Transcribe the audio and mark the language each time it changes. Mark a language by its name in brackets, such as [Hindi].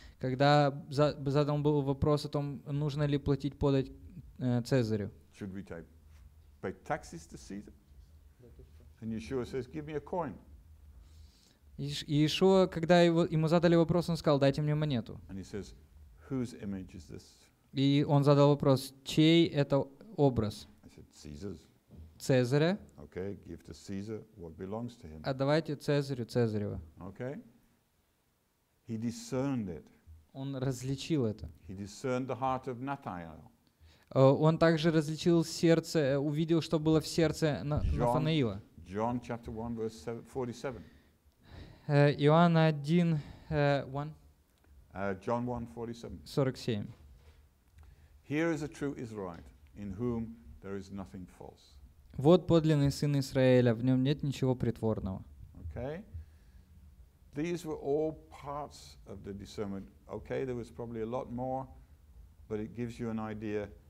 [Russian] Когда задан был вопрос о том, нужно ли платить подать Цезарю. [English] Should we pay taxes to Caesar? And Yeshua says, "Give me a coin." [Russian] Yeshua, когда ему задали вопрос, он сказал, "Дайте мне монету." [English] And he says, "Whose image is this?" [Russian] И он задал вопрос, чей это образ? [English] I said, "Caesar's." [Russian] Цезаря. [English] Okay, give to Caesar what belongs to him. [Russian] Отдавайте Цезарю Цезарева. [English] Okay. He discerned it. [Russian] Он различил это. [English] He discerned the heart of Nathanael. [Russian] Он также различил сердце, увидел, что было в сердце Нафанаила. [English] John chapter 1 verse 47. [Russian] Иоанна 1 [English] John 1:47. [Russian] 47. [English] Here is a true Israelite in whom there is nothing false. [Russian] Вот подлинный сын Израиля, в нём нет ничего притворного. [English] Okay. These were all parts of the discernment. Okay, there was probably a lot more, but it gives you an idea.